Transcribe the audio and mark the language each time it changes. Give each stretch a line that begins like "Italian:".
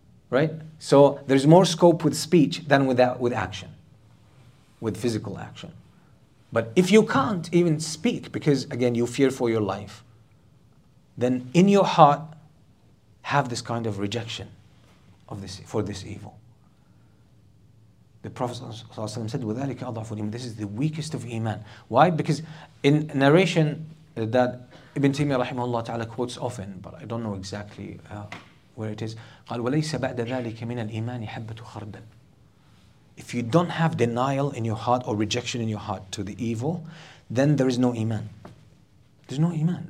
English: Right? So there's more scope with speech than with action, with physical action. But if you can't even speak because, again, you fear for your life, then in your heart, have this kind of rejection of this for this evil. The Prophet ﷺ said,
Arabic: وَذَلِكَ أَضْعَفُ الْإِيمَانِ.
English: This is the weakest of iman. Why? Because in narration that Ibn Taymiyyah rahimahullah ta'ala quotes often, but I don't know exactly where it is,
Arabic: قَالْ وَلَيْسَ بَعْدَ ذَلِكَ مِنَ الْإِيمَانِ حَبَّةُ خَرْدًا.
English: If you don't have denial in your heart or rejection in your heart to the evil, then there is no iman. There's no iman.